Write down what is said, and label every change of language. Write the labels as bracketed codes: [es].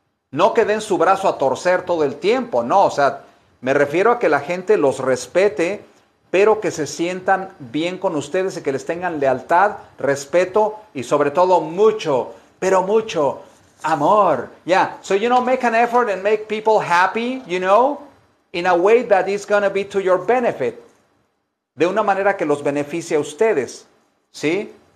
[es] No que den su brazo a torcer todo el tiempo, no. O sea, me refiero a que la gente los respete, pero que se sientan bien con ustedes y que les tengan lealtad, respeto y sobre todo mucho, pero mucho amor. [en] Yeah, so you know, make an effort and make people happy, you know, in a way that is going to be to your benefit. [es] De una manera que los beneficie a ustedes, ¿sí?